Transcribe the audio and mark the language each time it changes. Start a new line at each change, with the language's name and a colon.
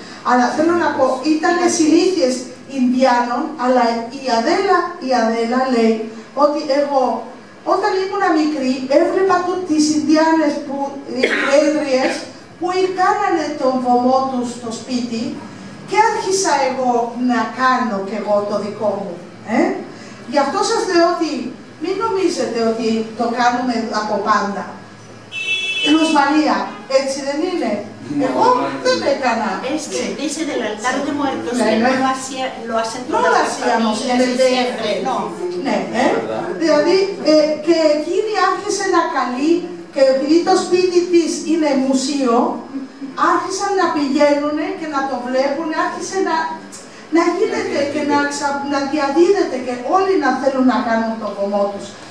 Greek: Αλλά θέλω να πω, ήταν συνήθειες Ινδιάνων, αλλά η Αδέλα λέει ότι εγώ, όταν ήμουν μικρή, έβλεπα τις Ινδιάνες που έδριες που κάνανε τον βωμό τους στο σπίτι και άρχισα εγώ να κάνω κι εγώ το δικό μου. Γι' αυτό σας λέω ότι μην νομίζετε ότι το κάνουμε από πάντα. Ρωσμαρία, έτσι δεν είναι? Εγώ δεν έκανα. Είσαι
Spanish: del altar de muertos,
Greek: ναι.
Spanish: Lo hacen todas las familias, siempre.
Greek: Ναι, δηλαδή και εκείνη άρχισε να καλεί και επειδή το σπίτι της είναι μουσείο, άρχισαν να πηγαίνουν και να το βλέπουν, άρχισε να γίνεται και να διαδίδεται και όλοι να θέλουν να κάνουν το κομμό τους.